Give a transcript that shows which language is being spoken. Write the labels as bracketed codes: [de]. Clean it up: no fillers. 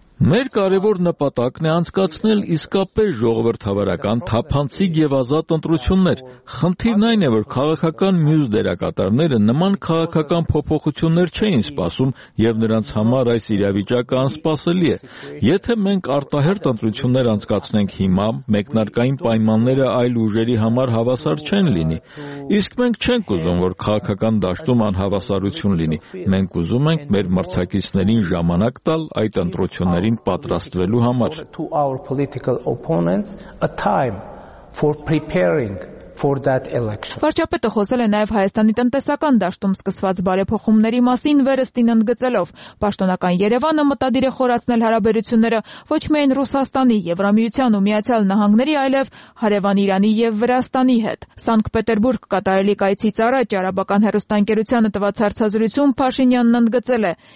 [hy] Մեր կարևոր նպատակն է անցկացնել իսկապես ժողովրդավարական, թափանցիկ եւ ազատ ընտրություններ։ Խնդիրն այն է, որ քաղաքական մյուս դերակատարները նման քաղաքական փոփոխություններ չեն սպասում եւ նրանց համար այս իրավիճակը անսպասելի է։ Եթե մենք արտահերտ ընտրություններ անցկացնենք հիմա, մեկնարկային պայմանները այլ ուժերի համար հավասար չեն լինի։ Իսկ մենք չենք ուզում, որ քաղաքական դաշտում անհավասարություն լինի։ Մենք ուզում ենք մեր մրցակիցներին ժամանակ տալ այդ ընտրությունները պատրաստվելու համար [en] to our political opponents a time for preparing for that election. [hy] Վարչապետը խոսել է նաև Հայաստանի տնտեսական դաշտում սկսված բարեփոխումների մասին վերստին ընդգծելով։ Պաշտոնական Երևանը մտադիր է խորացնել հարաբերությունները ոչ միայն Ռուսաստանի, Եվրամիության ու Միացյալ Նահանգների, այլև հարևան Իրանի եւ Վրաստանի հետ։ Սանկտպետերբուրգ կատարելի կայցից առաջ Արաբական հերոստանգերությանը տված հարցազրույցում Փաշինյանն ընդգծել է.